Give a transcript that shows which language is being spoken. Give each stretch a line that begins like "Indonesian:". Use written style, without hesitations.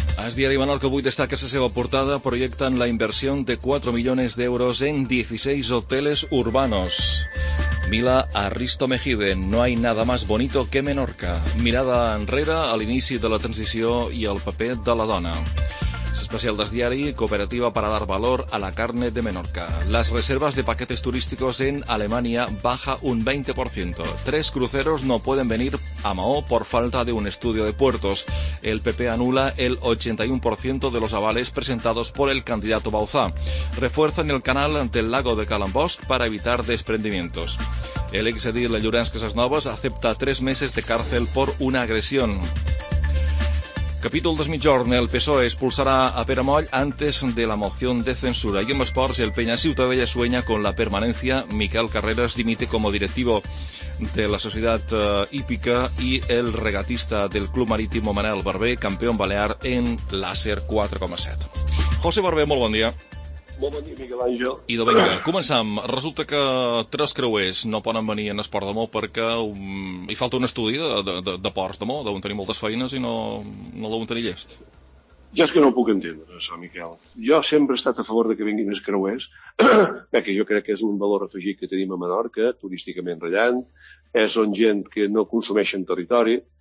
Catalan: El diari Menorca avui destaca la seva portada,
Spanish: proyectan la inversión de 4 millones de euros en 16 hoteles urbanos. Mila Aristo Mejide, no hay nada más bonito que Menorca.
Catalan: Mirada enrere a l'inici de la transició i el paper de la dona.
Spanish: Especial del diari, cooperativa para dar valor a la carne de Menorca. Las reservas de paquetes turísticos en Alemania baja un 20%. Tres cruceros no pueden venir a Mahó por falta de un estudio de puertos. El PP anula el 81% de los avales presentados por el candidato Bauzá. Refuerzan el canal ante el lago de Calambosc para evitar desprendimientos. El exedil Llorenç Casasnovas acepta 3 meses de cárcel por una agresión. Capítol de migjorn, el PSOE expulsarà a Pere Moll antes de la moción de censura.
Catalan: I en esports,
Spanish: el Peña Ciutadella sueña con la permanencia. Miquel Carreras dimite como directivo de la Societat Hípica i el regatista del Club Marítimo Manel Barber, campeón balear en láser 4,7.
Catalan: José Barber, molt bon dia. Bon dia, Miquel Àngel. Idò, vinga, començam. Resulta que tres creuers no poden venir en esport de Mó perquè hi falta un estudi de ports de Mó, d'on tenir moltes feines i no deuen tenir llest. Jo és que no ho puc entendre, això, Miquel. Jo sempre he estat a favor de que vinguin els creuers, perquè jo crec que és un valor afegit que tenim a Menorca, turísticament rellant, és on gent que no consumeixen territori.